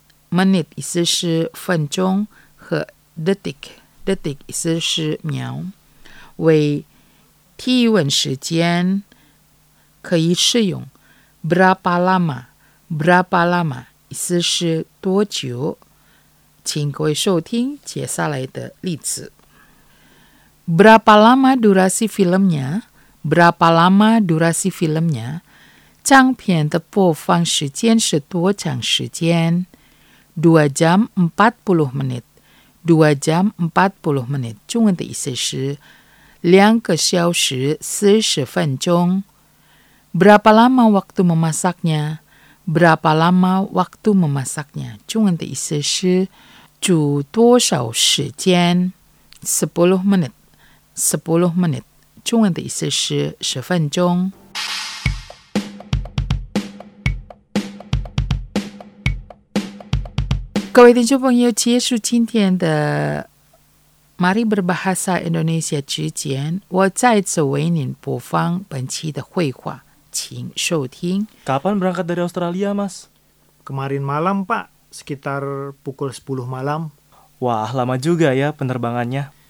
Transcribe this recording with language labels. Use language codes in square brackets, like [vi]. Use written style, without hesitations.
[zh] Minute 意思是分钟，和 detik 意思是秒。为提问时间可以使用 [id] berapa lama [zh] 意思是多久。请各位收听接下来的例子。 [id] Berapa lama durasi filmnya? Berapa lama durasi filmnya? [zh] 长片的播放时间是多长时间？ [id] 2 jam 40 menit [zh] 2 jam 40 menit 中文的意思是两个小时40分钟。 [id] Berapa lama waktu memasaknya? Berapa lama waktu memasaknya? [zh] 中文的意思是煮多少时间？ [en] 10 minutes [zh] 中文的意思是10分钟。各位听众朋友，结束今天的 Mari Berbahasa Indonesia 之前，我再次为您播放本期的会话，请收听。 [id] Kapan berangkat dari Australia, Mas? Kemarin malam, Pak. Sekitar pukul 10 malam. Wah, lama juga ya penerbangannya.